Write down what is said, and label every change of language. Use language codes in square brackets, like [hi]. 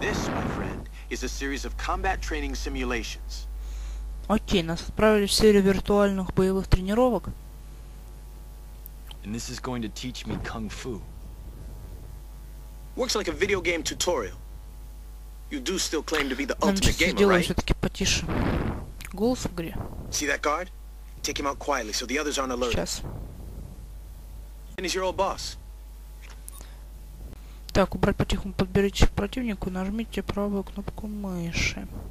[en] This, my friend, is a series of combat training simulations. [ru] Окей, нас отправили в серию виртуальных боевых тренировок. [en] And this is going to teach me kung fu. Works like a video game tutorial. You do still claim to be the ultimate gamer, right? [ru] Делаю все-таки потише. Голос в игре. [en] See that guard? Take him out quietly so the others aren't alert. [ru] Сейчас. [en] And he's your old boss. [ru] Так, убрать потихом, подберите противнику, нажмите правую кнопку мыши.